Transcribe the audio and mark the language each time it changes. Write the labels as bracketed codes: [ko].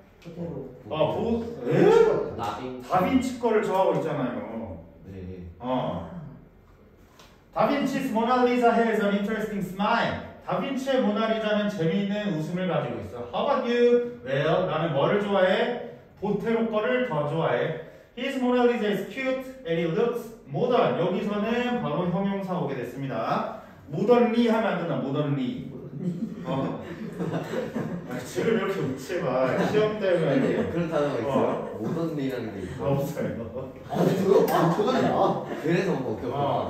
[ko] 보테로. 아, 보? 에? 다빈치 거를 좋아하고 있잖아요. [en] 다빈치's Mona Lisa has an interesting smile. [ko] 다빈치의 모나리자는 재미있는 웃음을 가지고 있어. [en] How about you? Well, [ko] 나는 뭐를 좋아해? 보테로 거를 더 좋아해. [en] His Mona Lisa is cute and it looks modern. [ko] 여기서는 바로 형용사 오게 됐습니다. Modernly 하면 안 되나? Modernly. 지금 이렇게 웃지 마. 시험 때문에. 아니, 그런 단어가 있어요? 모던리라는 게 있어요? 없어요. 아니, 그거 방금이야. 그래서 뭐 겪어.